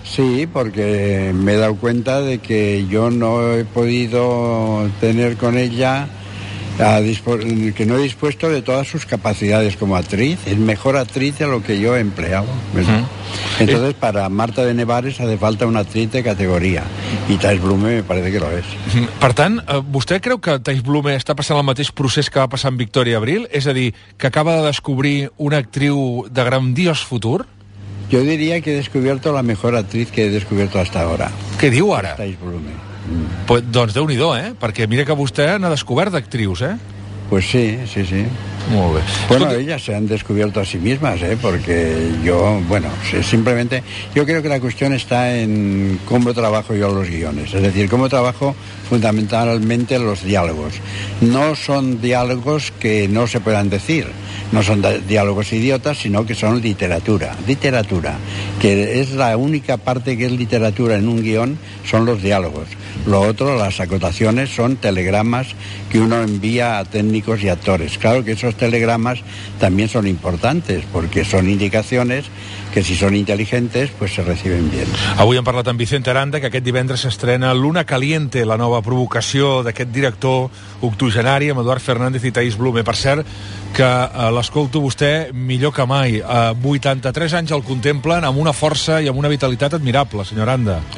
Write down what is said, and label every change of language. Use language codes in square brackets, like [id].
[es] Sí, porque me he dado cuenta de que yo no he podido tener con ella... que no he dispuesto de todas sus capacidades como actriz, es mejor actriz de lo que yo he empleado. Entonces, para Marta de Nevares hace falta una actriz de categoría, y Thais Blume me parece que lo es. [ca] Per tant, vostè creu que Thais Blume està passant el mateix procés que va passar amb Victoria Abril? És a dir, que acaba de descobrir una actriu de grandiós futur? [es] Yo diría que he descubierto la mejor actriz que he descubierto hasta ahora. [ca] ¿Qué diu ara? Thais Blume. Pues, doncs déu-n'hi-do, eh? Perquè mira que vostè n'ha descobert d'actrius, eh? [es] Pues sí, sí, sí. [ca] Molt bé. [es] Bueno, escolta, ellas se han descubierto a sí mismas, ¿eh? Porque yo, bueno, simplemente, yo creo que la cuestión está en cómo trabajo yo los guiones, es decir, cómo trabajo fundamentalmente los diálogos. No son diálogos que no se puedan decir, no son diálogos idiotas, sino que son literatura, literatura, que es la única parte que es literatura en un guión, son los diálogos. Lo otro, las acotaciones, son telegramas que uno envía a técnicos y actores. Claro que esos telegramas también son importantes, porque son indicaciones que si son inteligentes, pues se reciben bien. [ca] Avui hem parlat amb Vicent Aranda, que aquest divendres s'estrena Luna Caliente, la nova provocació d'aquest director octogenari, amb Eduard Fernández i Thaís Blume. Per cert, que l'escolto vostè millor que mai. 83 anys el contemplen amb una força i amb una vitalitat admirable, senyor Aranda.